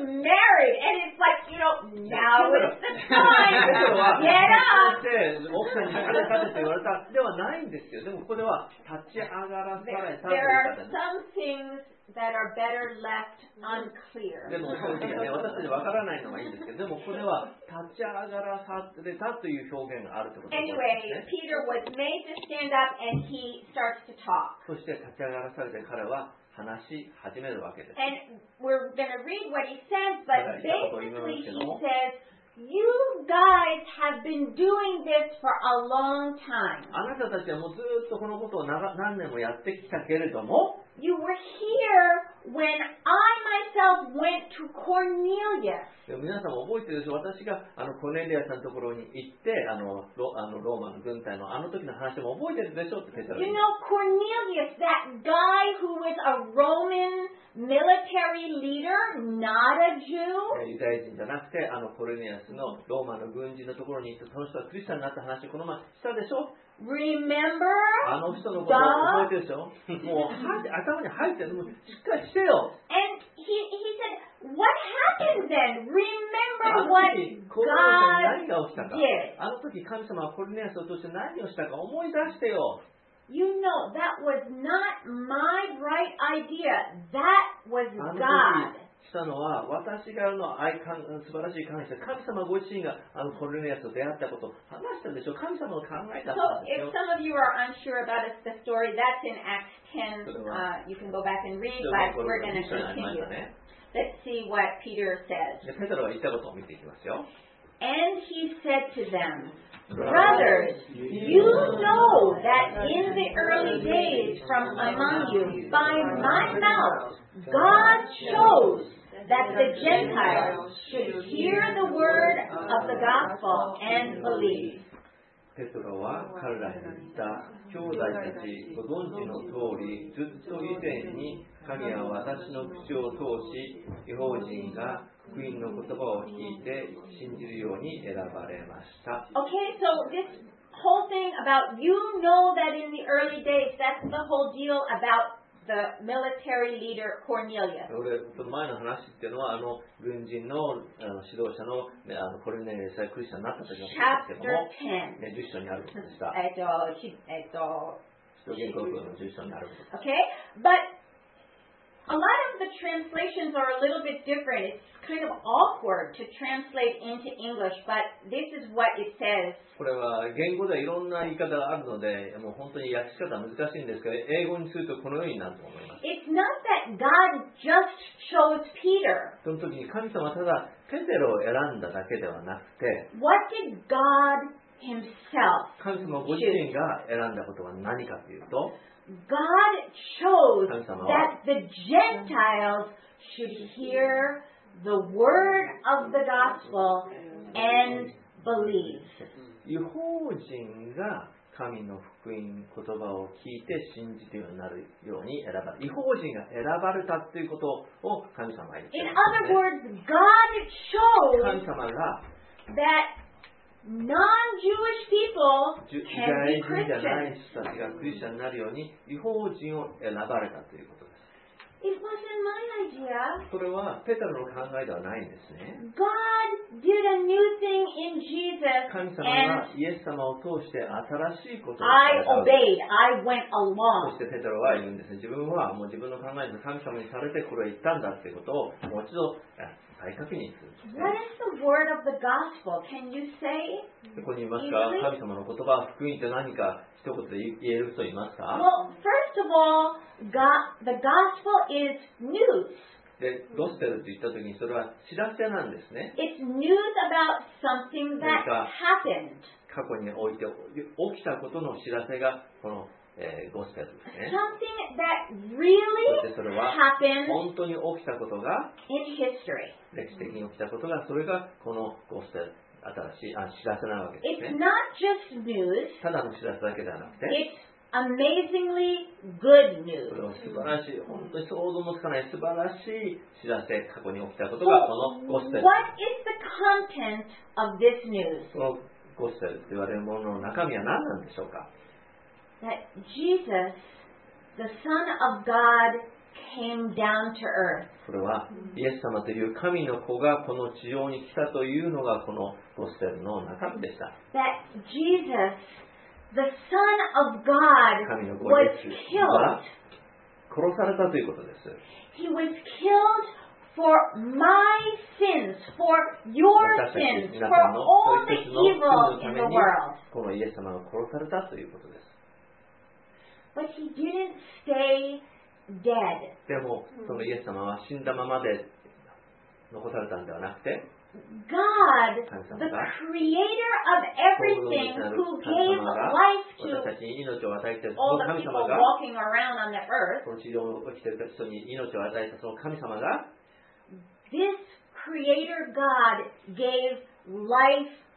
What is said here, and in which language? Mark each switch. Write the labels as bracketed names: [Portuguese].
[English] Peter was married, and it's like, you know, now is the time. Get up. [Japanese] 奥さんに立て立てと言われたではないんですよ。でもここでは立ち上がらされた。 [English] There are some things that are better left unclear. [Japanese] でも正直ね、私たちわからないのがいいんですけど、でもここでは立ち上がらされたという表現があるということですね。 [English] Anyway, Peter was made to stand up and he starts to talk. [Japanese] そして立ち上がらされて彼は話し始めるわけです。 [English] And we're going to read what he says, but basically he says,You guys have been doing this for a long time. [Japanese] あなたたちはもうずっとこのことを何年もやってきたけれども。 [English] You were here when I myself went to Cornelius. [Japanese] 皆さんも覚えてるでしょ。私がコネリアさんのところに行って、ローマの軍隊のあの時の話も覚えてるでしょって。 [English] You know Cornelius, that guy who was a Roman. Military leader, not a Jew. [Japanese] ユダヤ人じゃなくてコルネリアスのローマの軍人のところに行ったその人はクリスチャンになった話をこの前したでしょ [English] Remember? [Japanese] あの人のことを覚えてるでしょもう頭に入ってるもうしっかりしてよ [English] And he said, what happened then? Remember what God did? [Japanese] あの時神様はコルネリアスを通して何をしたか思い出してよ [English] You know, that was not my right idea. That was God. [Japanese] したのは私がの愛感素晴らしい感謝神様ご自身がコルネリアスと出会ったことを話したでしょ神様の考えだったんですよ。 [English] So, if some of you are unsure about the story, that's in Acts 10. You can go back and read, but we're going to continue. Let's see what Peter says. [Japanese] ペトロが言ったことを見ていきますよ。 [English] And he said to them, Brothers, you know that in the early days from among you, by my mouth, God chose that the Gentiles should hear the word of the gospel and believe. [Japanese] ペトロは彼らに言った。兄弟たち、ご存知の通り、ずっと以前に神は私の口を通し、異邦人が福音の言葉を聞いて信じるように選ばれました。 [English] OK, so this whole thing about you know that in the early days, that's the whole deal about the military leader Cornelius. [Japanese] 俺の前の話っていうのは、あの軍人 の, あの指導者 の, あのコルネリアクリスチャンになった時のことですけども、ね、10章にあるんでした。 [English] OK, butA lot of the translations are a little bit different. It's kind of awkward to translate into English, but this is what it says. [Japanese] これは言語ではいろんな言い方があるので、もう本当に訳し方は難しいんですけど、英語にするとこのようになると思います。 [English] It's not that God just chose Peter. [Japanese] その時に神様はただペテロを選んだだけではなくて、 [English] What did God himself choose? [Japanese] 神様ご自身が選んだことは何かというと、 [English] God chose that the Gentiles should hear the word of the gospel and believe. [Japanese] 異邦人が神の福音言葉を聞いて信じるようになるように選ばれ、異邦人が選ばれたということを神様は言っています [English] In other words, God chose [Japanese] 神様が [English] that Non-Jewish people can be Christians. [Japanese] イホー人を選ばれたということです。 [English] It wasn't my idea. [Japanese] それはペテロの考えではないんですね。 [English] God did a new thing in Jesus. [Japanese] 神様がイエス様を通して新しいことを。 [English] I obeyed. I went along. [Japanese] そしてペテロは言うんですね。自分はもう自分の考えで神様にされてこれを言ったんだということをもう一度。 [English] What is the word of the gospel? Can you say? [Japanese] ここにいますか。神様の言葉、福音って何か一言で言える人いますか。 [English] Well, first of all, the gospel is news. [Japanese] で、ゴスペルと言ったときにそれは知らせなんですね。 [English] It's news about something that happened. [Japanese] 過去において起きたことの知らせがこのゴスペルですね。 [English] Something that really happened. [Japanese] 本当に起きたことが [English] in history. [Japanese] 歴史的に起きたことが、それがこのゴスペル、新しい知らせなわけですね。 [English] It's not just news. [Japanese] ただの知らせだけではなくて、 [English] It's amazingly good news. [Japanese] これは素晴らしい、本当に想像もつかない素晴らしい知らせ、過去に起きたことがこのゴスペル。 [English] What is the content of this news? [Japanese] このゴスペルと言われるものの中身は何なんでしょうか。 [English] That Jesus, the Son of God, came down to earth. [Japanese] これはイエス様という神の子がこの地上に来たというのがこのゴスペルの中身でした。 [English] That Jesus, the Son of God, was killed. [Japanese] 殺されたということです。 [English] He was killed for my sins, for your sins, for all the evil in the world. [Japanese] このイエス様が殺されたということです。 [English] But he didn't stay dead. [Japanese] でもそのイエス様は死んだままで残されたんではなくて、 [English] God, the creator of everything, who gave life to all the people walking around on the earth, [Japanese] この地上を生きている人に命を与えたその神様が、 [English] This creator God gave life.